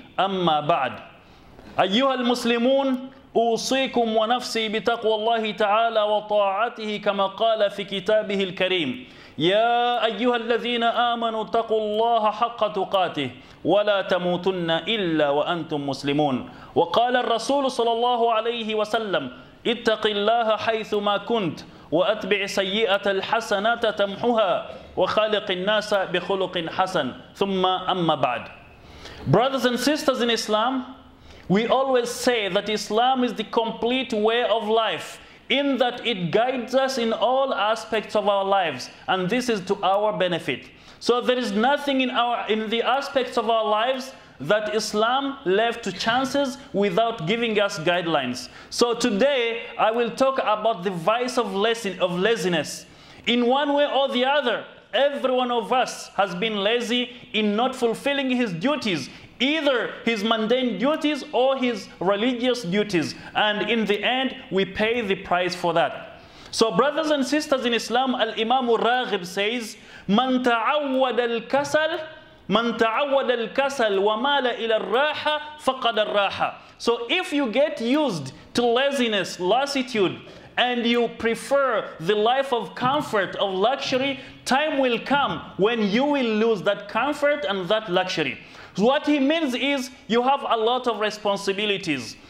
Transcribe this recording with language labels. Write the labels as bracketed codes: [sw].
[ar] أما بعد، أيها المسلمون، أوصيكم ونفسي بتقوى الله تعالى وطاعته، كما قال في كتابه الكريم: يا أيها الذين آمنوا اتقوا الله حق تقاته ولا تموتن إلا وأنتم مسلمون. وقال الرسول صلى الله عليه وسلم: اتق الله حيثما كنت، وأتبع سيئة الحسنة تمحها، وخالق الناس بخلق حسن. ثم أما بعد. [en] Brothers and sisters in Islam, we always say that Islam is the complete way of life, in that it guides us in all aspects of our lives, and this is to our benefit. So there is nothing in the aspects of our lives that Islam left to chances without giving us guidelines. So today I will talk about the vice of laziness. In one way or the other, every one of us has been lazy in not fulfilling his duties, either his mundane duties or his religious duties. And in the end, we pay the price for that. So brothers and sisters in Islam, Al-Imam Raghib says, [ar] من تعود الكسل من تعود الكسل ومال إلى الراحة فقد الراحة. [en] So if you get used to laziness, lassitude, and you prefer the life of comfort, of luxury, time will come when you will lose that comfort and that luxury. What he means is, you have a lot of responsibilities.